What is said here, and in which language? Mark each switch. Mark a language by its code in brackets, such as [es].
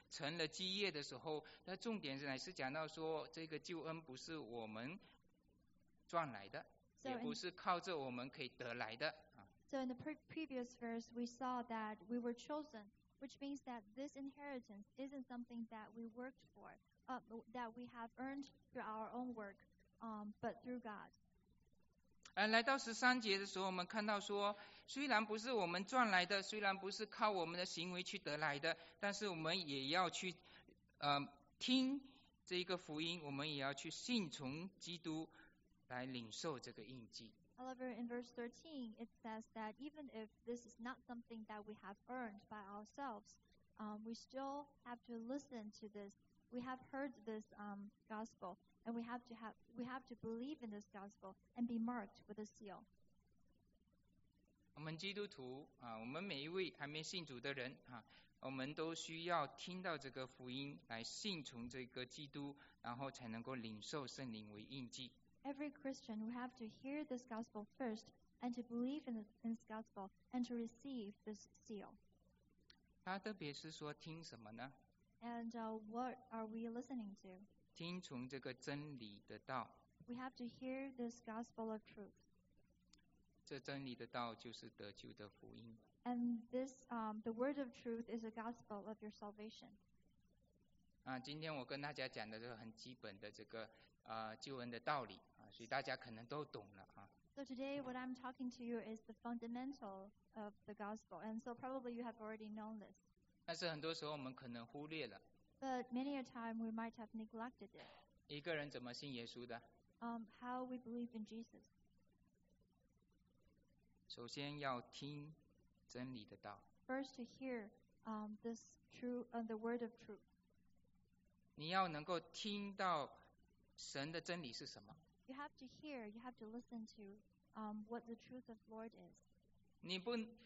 [zh] 我们读前面刚刚在前面的时候讲到说我们在基督里面成了基业的时候, 那重点是讲到说这个救恩不是我们赚来的, [en] so [zh] 也不是靠着我们可以得来的。 [en] So in the previous verse, we saw that we were chosen, which means that this inheritance isn't something that we worked for, that we have earned through our own work, but through God. [zh] 来到13节的时候, 我们看到说, 虽然不是我们赚来的, 虽然不是靠我们的行为去得来的, 但是我们也要去, 听这个福音, 我们也要去信从基督来领受这个印记。 [en] However, in verse 13, it says that even if this is not something that we have earned by ourselves, we still have to listen to this. We have heard this gospel, and we have to believe in this gospel and be marked with a seal. [zh] 我们基督徒, 啊, 我们每一位还没信主的人, 啊, 我们都需要听到这个福音, 来信从这个基督, 然后才能够领受圣灵为印记。 [en] Every Christian, we have to hear this gospel first and to believe in this gospel and to receive this seal. [zh] 他特别是说听什么呢? [en] And what are we listening to? [zh] 听从这个真理的道。 [en] We have to hear this gospel of truth. [zh] 这真理的道就是得救的福音。 [en] And this, the word of truth is a gospel of your salvation. [zh] 啊, 今天我跟大家讲的这个很基本的这个, 救恩的道理。 [en] So today, what I'm talking to you is the fundamental of the gospel, and so probably you have already known this. [zh] 但是很多时候我们可能忽略了。 [en] But many a time we might have neglected it. [zh] 一个人怎么信耶稣的? [en] How we believe in Jesus. [zh] 首先要听真理的道。 [en] First to hear this true the word of truth. [zh] 你要能够听到神的真理是什么。 [en] You have to hear, you have to listen to what the truth of the Lord is.